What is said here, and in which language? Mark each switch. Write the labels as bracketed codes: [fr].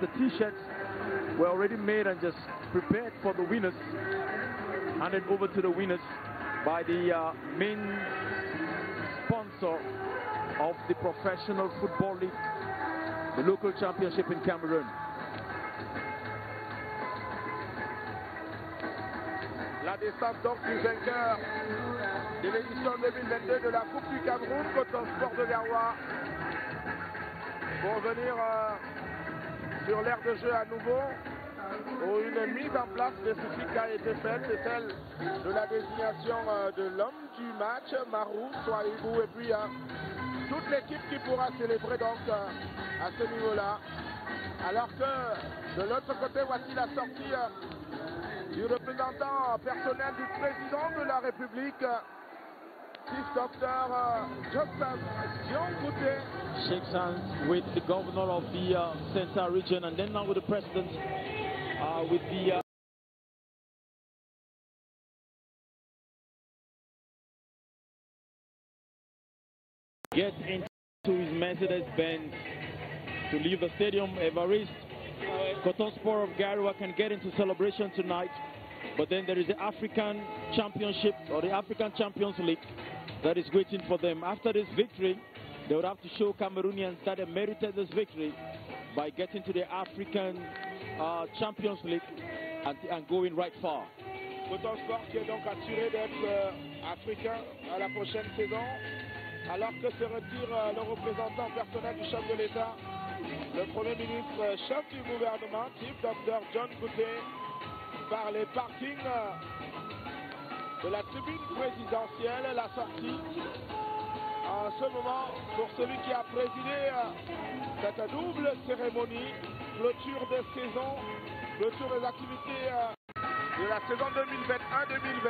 [en] The t-shirts were already made and just prepared for the winners, handed over to the winners by the main sponsor of the Professional Football League, the local championship in Cameroun. [fr] La descente donc du vainqueur de l'édition 2022 de la Coupe du Cameroun, Coton Sport de Garoua, pour venir sur l'aire de jeu à nouveau. Où une mise en place spécifique a été faite, c'est celle de la désignation de l'homme du match, Maru Sawuyaibu, et puis toute l'équipe qui pourra célébrer donc à ce niveau-là. Alors que de l'autre côté, voici la sortie du représentant personnel du président de la République, Chief Dr. Joseph John Goute. [en] Shakes hands with the governor of the Central Region and then now with the president. With the get into his Mercedes Benz to leave the stadium, Evariste. Coton Sport of Garoua can get into celebration tonight, but then there is the African Championship or the African Champions League that is waiting for them. After this victory, they would have to show Cameroonians that they merited this victory by getting to the African Champions League and going right far. [fr] Coton Sport qui est donc assuré d'être africain à la prochaine saison, alors que se retire le représentant personnel du chef de l'État, le Premier ministre chef du gouvernement, Chief Dr. John Coupé, par les parkings de la tribune présidentielle, la sortie en ce moment pour celui qui a présidé cette double cérémonie, clôture de saison, clôture des activités de la saison 2021-2022,